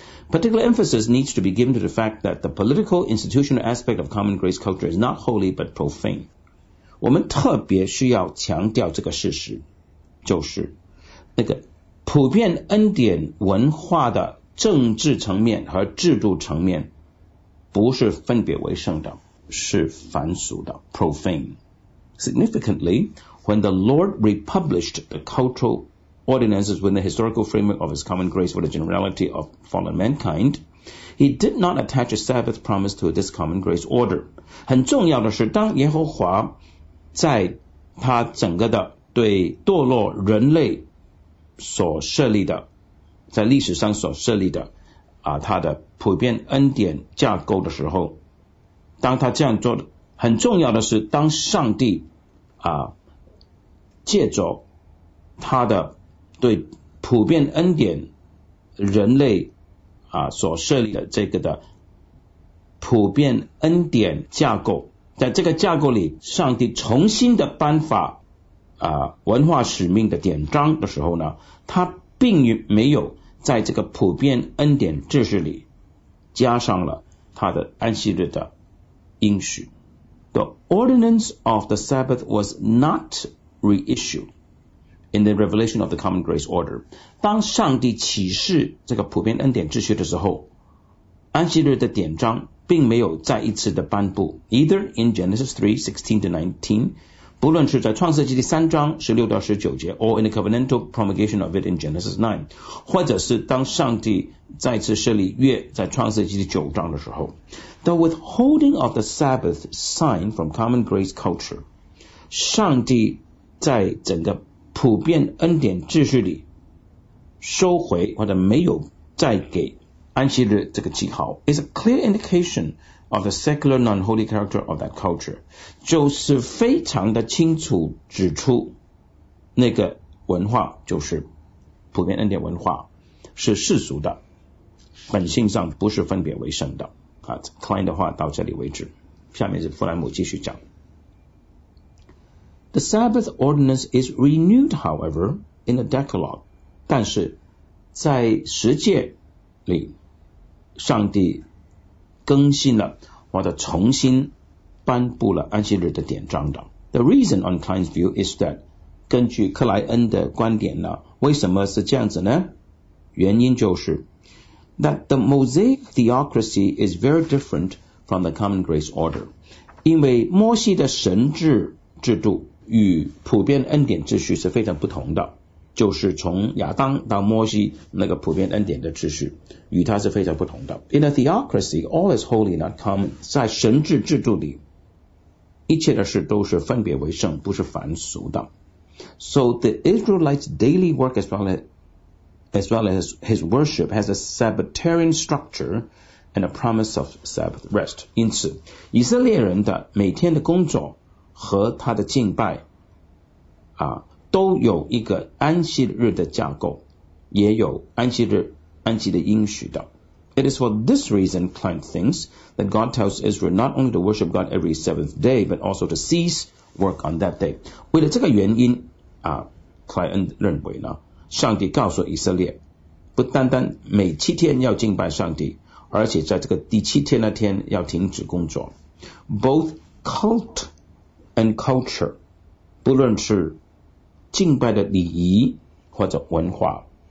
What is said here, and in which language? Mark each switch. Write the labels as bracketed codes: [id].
[en] Particular emphasis needs to be given to the fact that the political institutional aspect of common grace culture is not holy but profane. [zh] 我们特别需要强调这个事实，就是那个普遍恩典文化的政治层面和制度层面不是分别为圣的，是凡俗的 profane. [en] Significantly, when the Lord republished the cultural ordinances within the historical framework of his common grace for the generality of fallen mankind, he did not attach a Sabbath promise to this common grace order. [zh] 很重要的是，当耶和华在他整个的对堕落人类所设立的，在历史上所设立的啊，他的普遍恩典架构的时候，当他这样做的，很重要的是，当上帝啊借着他的对普遍恩典人类啊所设立的这个的普遍恩典架构，在这个架构里上帝重新的颁发啊文化使命的典章的时候呢，他并没有在这个普遍恩典秩序里加上了他的安息日的应许。 [en] The ordinance of the Sabbath was not reissued in the revelation of the common grace order. [zh] 当上帝启示这个普遍恩典秩序的时候，安息日的典章并没有再一次的颁布。 [en] Either in Genesis 3:16-19, [zh] 不论是在创世纪第三章16-19节 [en] or in the covenantal promulgation of it in Genesis 9, [zh] 或者是当上帝再次设立月在创世纪第九章的时候。 [en] The withholding of the Sabbath sign from common grace culture, [zh] 上帝在整个普遍恩典秩序里收回或者没有再给安息日这个记号 [en] is a clear indication of the secular non-holy character of that culture, [zh] 就是非常的清楚指出那个文化就是普遍恩典文化是世俗的本性上不是分别为圣的、Klein 的话到这里为止下面是弗莱姆继续讲 [en] The Sabbath ordinance is renewed, however, in the Decalogue, [zh] 但是在十诫里上帝更新了或者重新颁布了安息日的典章的 [en] The reason on Klein's view is that [zh] 根据克莱恩的观点呢为什么是这样子呢原因就是 [en] that the Mosaic theocracy is very different from the common grace order [zh] 因为摩西的神制制度与普遍恩典秩序是非常不同的就是从亚当到摩西那个普遍恩典的秩序与它是非常不同的 [en] In a theocracy, all is holy, not common [zh] 在神制制度里一切的事都是分别为圣不是凡俗的 [en] So the Israelites' daily work as well as his worship has a Sabbatarian structure and a promise of Sabbath rest [zh] 因此以色列人的每天的工作和他的敬拜都有一个安息日的架构也有安息日安息的应许的 [en] It is for this reason Klein thinks that God tells Israel not only to worship God every seventh day but also to cease work on that day [zh] 为了这个原因、Klein 认为呢上帝告诉以色列不单单每七天要敬拜上帝而且在这个第七天那天要停止工作 [en] Both cult and culture [zh] 不论是敬拜的礼仪或者文化